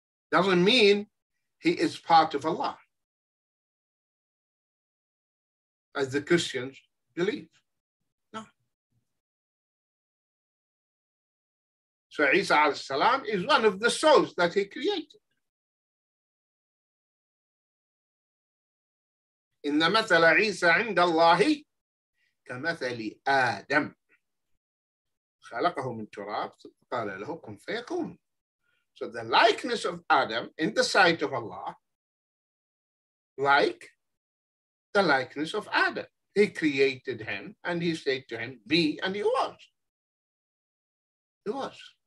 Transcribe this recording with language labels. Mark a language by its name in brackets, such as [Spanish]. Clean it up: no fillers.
[English] Doesn't mean he is part of Allah, as the Christians believe. No. So Isa alayhi salam is one of the souls that he created. [Arabic] إن مثل عيسى عند الله كمثل آدم خلقه من تراب قال له كن فيكون. [English] So the likeness of Adam in the sight of Allah, like the likeness of Adam. He created him and he said to him, be, and he was. He was.